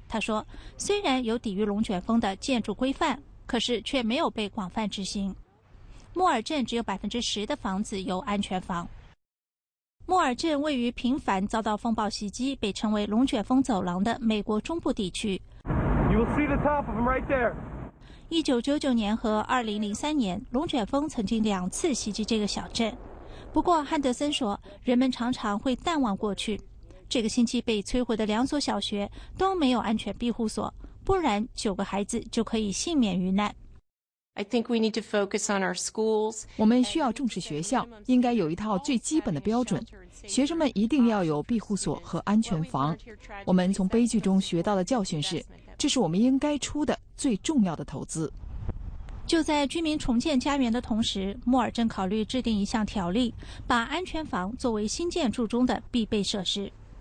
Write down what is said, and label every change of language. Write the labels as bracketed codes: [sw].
[zh] 他说，虽然有抵御龙卷风的建筑规范，可是却没有被广泛执行。莫尔镇只有10%的房子有安全房。莫尔镇位于频繁遭到风暴袭击、被称为龙卷风走廊的美国中部地区。 [en] You will see the top of them right there. [zh] 1999年和2003年，龙卷风曾经两次袭击这个小镇。不过，汉德森说，人们常常会淡忘过去。这个星期被摧毁的两所小学都没有安全庇护所，不然九个孩子就可以幸免于难。 [en] I think we need to focus on our schools. [zh] 我们需要重视学校，应该有一套最基本的标准。学生们一定要有庇护所和安全房。我们从悲剧中学到的教训是，这是我们应该出的最重要的投资。就在居民重建家园的同时，莫尔镇考虑制定一项条例，把安全房作为新建筑中的必备设施。